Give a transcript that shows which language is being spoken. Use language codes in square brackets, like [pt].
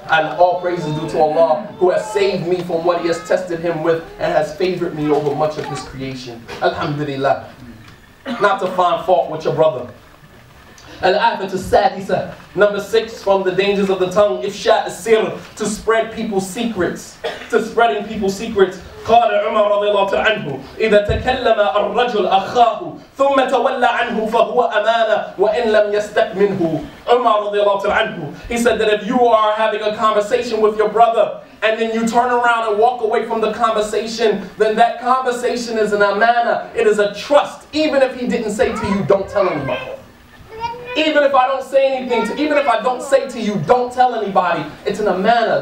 [en] And all praises due to Allah who has saved me from what he has tested him with and has favored me over much of his creation. Alhamdulillah. Not to find fault with your brother. [ar] Al-Afat al-Sadisa, [en] number 6, from the dangers of the tongue, [ar] ifsha al-sir, [en] to spread people's secrets, to spreading people's secrets. [ar] Qala Umar radiallahu anhu, إذا تكلم الرجل أخاه ثم تولى عنه فهو أمانة وإن لم يستق منه. [en] Umar radiallahu anhu, he said that if you are having a conversation with your brother and then you turn around and walk away from the conversation, then that conversation is an amana, it is a trust, even if he didn't say to you, don't tell anybody. Even if I don't say to you, don't tell anybody, it's an amana.